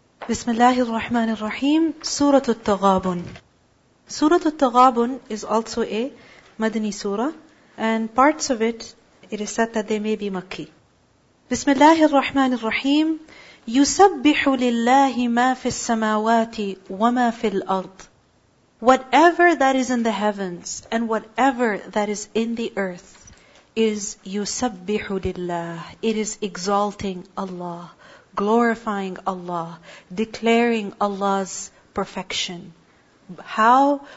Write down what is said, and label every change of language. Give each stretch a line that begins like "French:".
Arabic: بسم الله الرحمن الرحيم سورة التغابن.
English: سورة التغابن is also a مدني سورة, and parts of it, it is said that they may be مكي.
Arabic: بسم الله الرحمن الرحيم يسبح لله ما في السماوات وما في الأرض.
English: Whatever that is in the heavens and whatever that is in the earth is
Arabic: يسبح لله.
English: It is exalting Allah, glorifying Allah, declaring Allah's perfection. How?